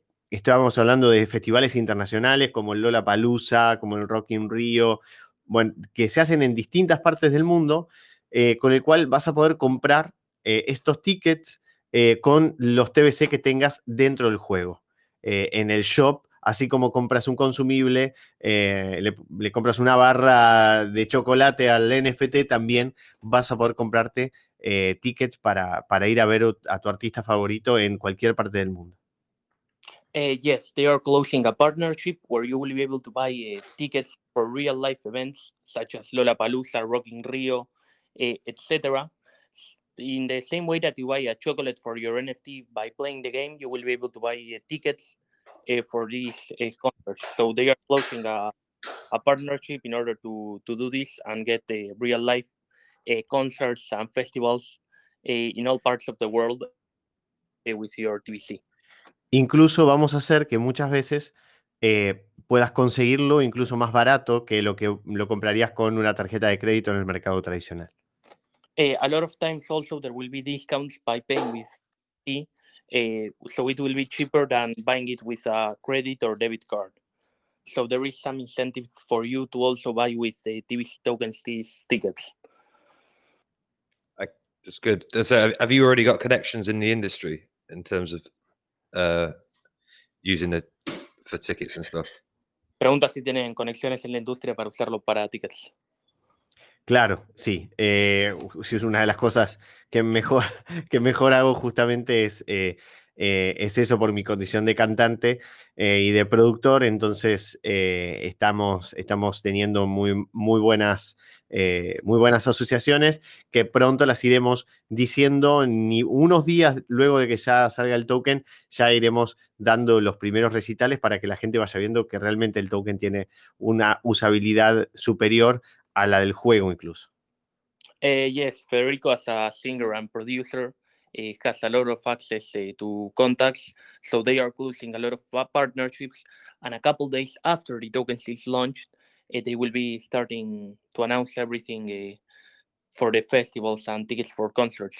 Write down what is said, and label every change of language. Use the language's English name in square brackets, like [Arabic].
[Spanish] Estábamos hablando de festivales internacionales como el Lollapalooza, como el Rock in Rio, bueno, que se hacen en distintas partes del mundo, con el cual vas a poder comprar estos tickets con los TBC que tengas dentro del juego. En el shop, así como compras un consumible, le compras una barra de chocolate al NFT, también vas a poder comprarte tickets para ir a ver a tu artista favorito en cualquier parte del mundo. [English] Yes, they are closing a partnership where you will be able to buy tickets for real life events such as Lollapalooza, Rock in Rio, etc. In the same way that you buy a chocolate for your NFT by playing the game, you will be able to buy tickets for these concerts. So they are closing a partnership in order to do this and get the real life concerts and festivals in all parts of the world with your TBC. [Spanish] Incluso vamos a hacer que muchas veces puedas conseguirlo incluso más barato que lo que lo comprarías con una tarjeta de crédito en el mercado tradicional. [English] A lot of times also there will be discounts by paying with T, so it will be cheaper than buying it with a credit or debit card. So there is some incentive for you to also buy with the TBC tokens these tickets. That's good. So have you already got connections in the industry in terms of using the for tickets and stuff. [Spanish] Pregunta si tienen conexiones en la industria para usarlo para tickets. Claro, sí. Si es una de las cosas que mejor hago justamente es eso por mi condición de cantante y de productor. Entonces estamos teniendo muy buenas asociaciones que pronto las iremos diciendo. Ni unos días luego de que ya salga el token, ya iremos dando los primeros recitales para que la gente vaya viendo que realmente el token tiene una usabilidad superior a la del juego incluso. [English] Yes, Federico, as a singer and producer, has a lot of access to contacts, so they are closing a lot of partnerships, and a couple days after the token is launched, they will be starting to announce everything for the festivals and tickets for concerts.